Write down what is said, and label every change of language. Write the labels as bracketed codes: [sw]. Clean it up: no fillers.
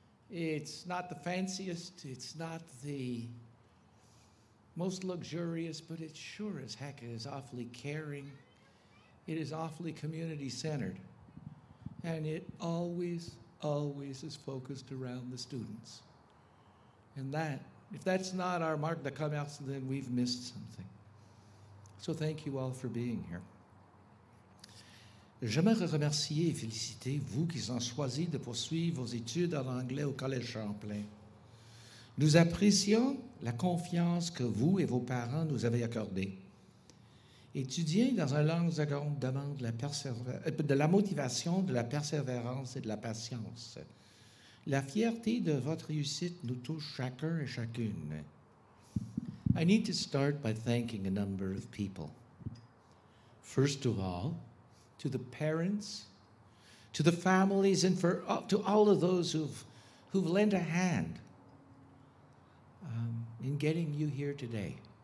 [en] It's not the fanciest, it's not the most luxurious, but it sure as heck is awfully caring. It is awfully community-centered. And it always, always is focused around the students. And that, if that's not our [fr] marque de commerce, [en] then we've missed something. So thank you all for being here. [fr] J'aimerais remercier et féliciter vous qui ont choisi de poursuivre vos études en anglais au Collège Champlain. Nous apprécions la confiance que vous et vos parents nous avez accordée. Étudier dans un langue seconde demande de la motivation, de la persévérance et de la patience. La fierté de votre réussite nous touche chacun et chacune. [en] I need to start by thanking a number of people. First of all, to the parents, to the families, and to all of those who've lent a hand in getting you here today.